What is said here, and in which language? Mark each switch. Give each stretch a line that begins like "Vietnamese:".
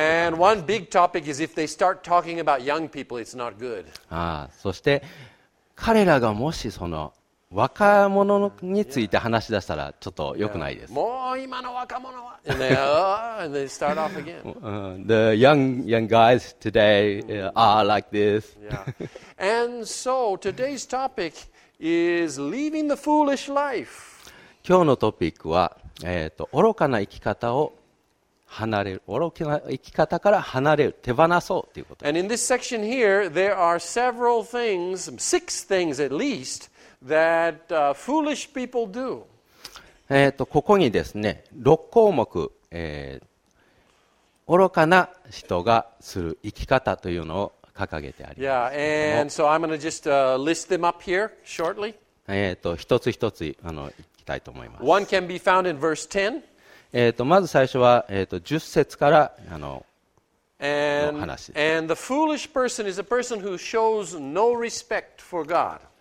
English: And one big topic is if they start talking about young people, it's not good.
Japanese: ああ、そして彼らがもしその若者について話し出したらちょっと良くないです。もう今の若者は、
English: and they start off again. The young guys today are like this. Yeah. And so today's topic is leaving the foolish life.
Japanese: 今日のトピックは、愚かな生き方を離れる、愚かな生き方から離れる、手放そうということ。
English: And in this section here, there are several things, six things at least. That foolish people do.
Japanese: ここにですね、6項目、愚かな人がする生き方というのを掲げてあります。
English: Yeah, and so I'm going to just list them up here shortly.
Japanese: 一つ一つ行きたいと思います。
English: One can be found in verse 10.
Japanese: まず最初は、10節からの話。
English: And the foolish person is a person who shows no respect for God.